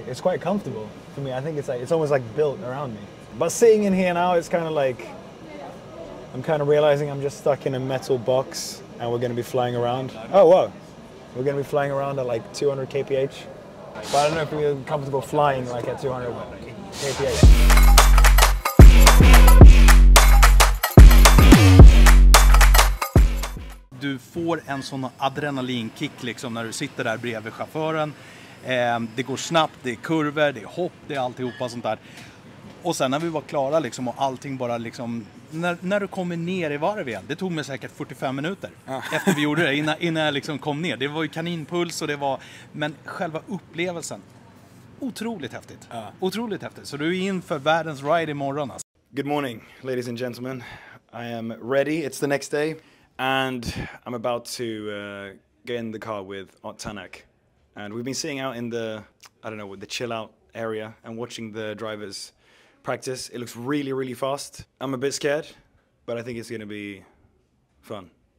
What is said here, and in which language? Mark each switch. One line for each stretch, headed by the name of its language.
English: It's quite comfortable for me. I think it's almost like built around me. But sitting in here now, it's kind of like, I'm kind of realizing I'm just stuck in a metal box and we're going to be flying around. Oh, whoa. We're going to be flying around at like 200 kph. But I don't know if we're comfortable flying like at 200 kph.
Swedish: Du får en sån adrenalinkick liksom när du sitter där bredvid chauffören. Det går snabbt, det är kurvor, det är hopp, det är alltihopa sånt där. Och sen när vi var klara liksom och allting bara liksom, när du kommer ner i varv igen, det tog mig säkert 45 minuter efter vi gjorde det, innan jag liksom kom ner. Det var ju kaninpuls och det var, men själva upplevelsen, otroligt häftigt. Otroligt häftigt. Så du är in för världens ride imorgon. Alltså.
English: Good morning, ladies and gentlemen. I am ready, it's the next day. And I'm about to get in the car with Ott Tänak. And we've been sitting out in the, I don't know, the chill out area and watching the drivers practice. It looks really, really fast. I'm a bit scared, but I think it's going to be fun.